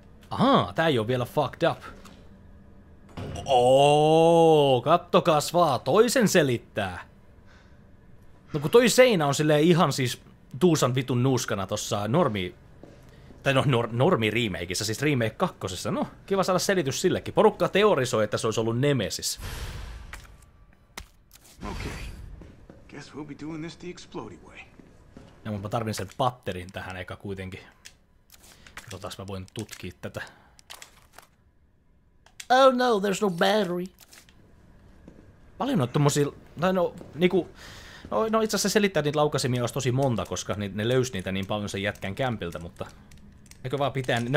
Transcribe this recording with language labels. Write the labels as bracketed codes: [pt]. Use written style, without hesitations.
[fi] Ahaa, tää ei oo vielä [en] fucked up. [fi] Ooo, kattokaas vaan, toisen selittää. No kun toi seinä on silleen ihan siis tuusan vitun nuuskana tossa normi... Tai no, normi-remakeissä, siis remake kakkosessa. No, kiva saada selitys sillekin. Porukka teorisoi, että se olisi ollut Nemesis. [en] Okay. Guess we'll be doing this the explodey way. [fi] Ja mä tarvin sen batterin tähän eka kuitenkin. Katsotaas, mä voin tutkia tätä. [en] Oh no, there's no battery. [fi] Paljon on tommosia... Tai no, niinku... No, no itse asiassa selittää niitä laukasimia olisi tosi monta, koska ne löysi niitä niin paljon sen jätkän kämpiltä, mutta... Nekö vaan pitää...